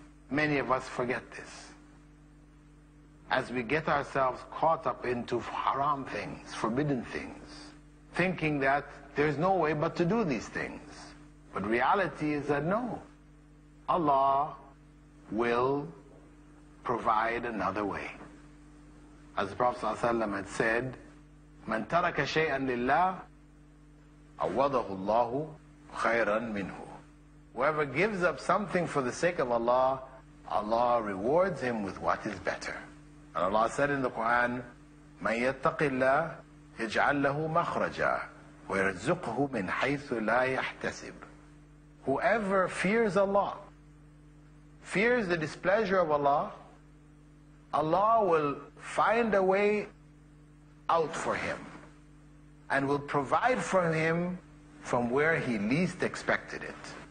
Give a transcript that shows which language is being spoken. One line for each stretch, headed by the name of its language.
English: Many of us forget this. As we get ourselves caught up into haram things, forbidden things, thinking that there's no way but to do these things. But reality is that no, Allah will provide another way. As the Prophet ﷺ had said,
Arabic: مَنْ تَرَكَ شَيْئًا لِلَّهِ عَوَّضَهُ اللَّهُ خَيْرًا مِنْهُ.
English: Whoever gives up something for the sake of Allah, Allah rewards him with what is better. And Allah said in the Quran,
Arabic: مَنْ يَتَّقِ اللَّهِ يَجْعَلْ لَهُ مَخْرَجًا وَيَرْزُقْهُ مِنْ حَيْثُ لَا يَحْتَسِبُ.
English: Whoever fears Allah, fears the displeasure of Allah, Allah will find a way out for him and will provide for him from where he least expected it.